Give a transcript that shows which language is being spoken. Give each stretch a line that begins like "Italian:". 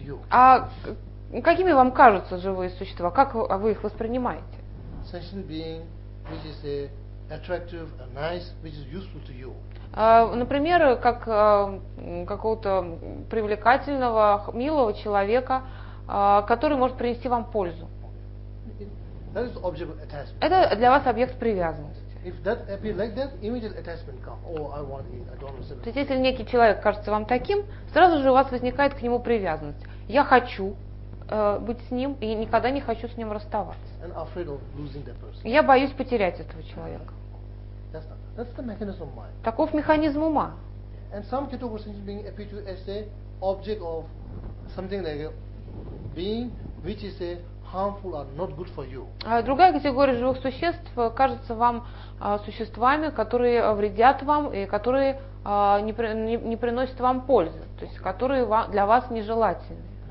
Russian: А какими вам кажутся живые существа? Как вы их воспринимаете?
English: Sentient being, which is a attractive, a nice, which is useful to you.
Russian: Например, как какого-то привлекательного, милого человека, который может принести вам пользу.
English: That is object of attachment.
Russian: Это для вас объект привязанности.
English: If that appear like that, immediate attachment comes. Oh, I want it. I don't understand.
Russian: То есть, если некий человек кажется вам таким, сразу же у вас возникает к нему привязанность. Я хочу быть с ним и никогда не хочу с ним расставаться.
English: And afraid of losing that person.
Russian: Я боюсь потерять этого человека.
English: That's the mechanism of mind.
Russian: Таков механизм ума.
English: And some categories of being appear to you as a object of something like a being which is a harmful or not good for you.
Russian: Другая категория живых существ кажется вам существами, которые вредят вам и которые не приносят вам пользы, то есть которые для вас нежелательны.